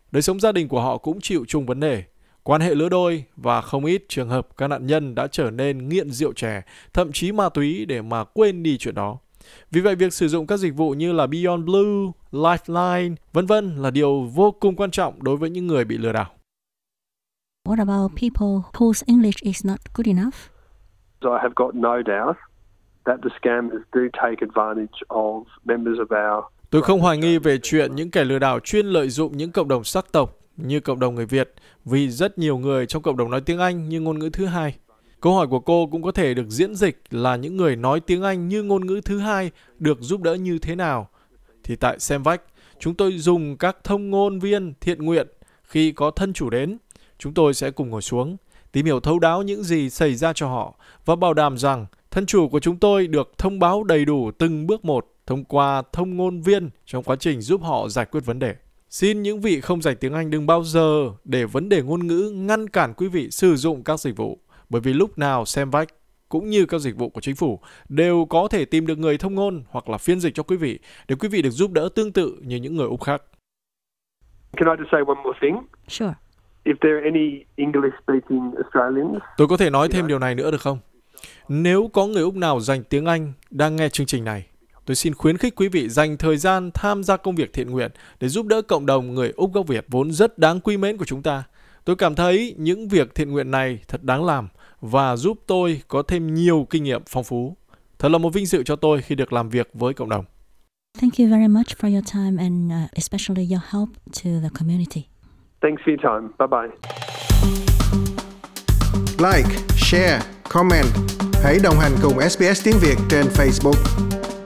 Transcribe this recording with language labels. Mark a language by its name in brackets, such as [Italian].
[Vietnamese] Đời sống gia đình của họ cũng chịu chung vấn đề. Quan hệ lứa đôi và không ít trường hợp các nạn nhân đã trở nên nghiện rượu chè, thậm chí ma túy để mà quên đi chuyện đó. Vì vậy, việc sử dụng các dịch vụ như là Beyond Blue, Lifeline, v.v. là điều vô cùng quan trọng đối với những người bị lừa đảo. [English] What about people whose English is not good enough? So I have got no doubt that the scammers do take advantage of members of our. [Vietnamese] Tôi không hoài nghi về chuyện những kẻ lừa đảo chuyên lợi dụng những cộng đồng sắc tộc như cộng đồng người Việt, vì rất nhiều người trong cộng đồng nói tiếng Anh như ngôn ngữ thứ hai. Câu hỏi của cô cũng có thể được diễn dịch là những người nói tiếng Anh như ngôn ngữ thứ hai được giúp đỡ như thế nào? Thì tại Semvec, chúng tôi dùng các thông ngôn viên thiện nguyện khi có thân chủ đến. Chúng tôi sẽ cùng ngồi xuống, tìm hiểu thấu đáo những gì xảy ra cho họ và bảo đảm rằng thân chủ của chúng tôi được thông báo đầy đủ từng bước một thông qua thông ngôn viên trong quá trình giúp họ giải quyết vấn đề. Xin những vị không dạy tiếng Anh đừng bao giờ để vấn đề ngôn ngữ ngăn cản quý vị sử dụng các dịch vụ, bởi vì lúc nào Semvec cũng như các dịch vụ của chính phủ đều có thể tìm được người thông ngôn hoặc là phiên dịch cho quý vị để quý vị được giúp đỡ tương tự như những người Úc khác. [English] Can I just say one more thing? Sure. If there are any English-speaking Australians, [Vietnamese] tôi có thể nói thêm điều này nữa được không? Nếu có người Úc nào dành tiếng Anh đang nghe chương trình này, tôi xin khuyến khích quý vị dành thời gian tham gia công việc thiện nguyện để giúp đỡ cộng đồng người Úc gốc Việt vốn rất đáng quý mến của chúng ta. Tôi cảm thấy những việc thiện nguyện này thật đáng làm và giúp tôi có thêm nhiều kinh nghiệm phong phú. Thật là một vinh dự cho tôi khi được làm việc với cộng đồng. [English] Thank you very much for your time and especially your help to the community. Thanks for your time. Bye-bye. Like, share, comment. [Vietnamese] Hãy đồng hành cùng SBS Tiếng Việt trên Facebook.